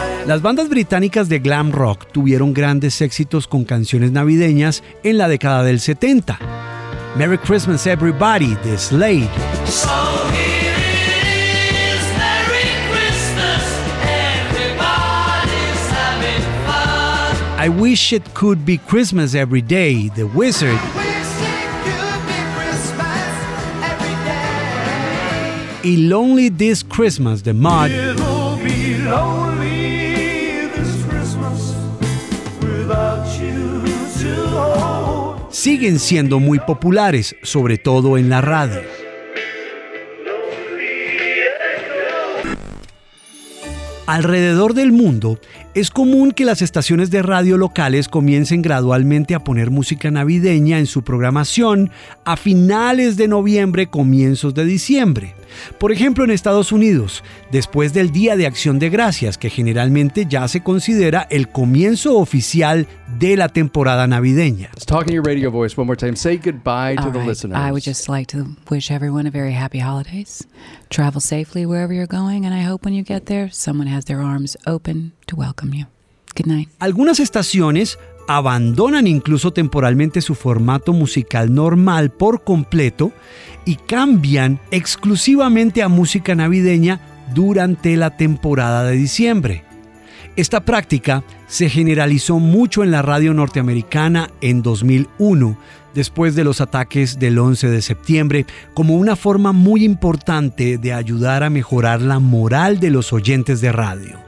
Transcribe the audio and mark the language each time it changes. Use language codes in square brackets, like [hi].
[es] Las bandas británicas de glam rock tuvieron grandes éxitos con canciones navideñas en la década del 70. [en] Merry Christmas Everybody de Slade. So here is, Merry Christmas, everybody's having fun. I wish it could be Christmas every day, The Wizard. Y Lonely This Christmas, The Mod. [es] Siguen siendo muy populares, sobre todo en la radio. Alrededor del mundo, es común que las estaciones de radio locales comiencen gradualmente a poner música navideña en su programación a finales de noviembre, comienzos de diciembre. Por ejemplo, en Estados Unidos, después del Día de Acción de Gracias, que generalmente ya se considera el comienzo oficial de la temporada navideña. [en] Let's talk in your radio voice one more time. Say goodbye to the listeners. I would just like to wish everyone a very happy holidays. Travel safely wherever you're going, and I hope when you get there, someone has their arms open to welcome you. Good night. [es] Algunas estaciones abandonan incluso temporalmente su formato musical normal por completo y cambian exclusivamente a música navideña durante la temporada de diciembre. Esta práctica se generalizó mucho en la radio norteamericana en 2001, después de los ataques del 11 de septiembre, como una forma muy importante de ayudar a mejorar la moral de los oyentes de radio.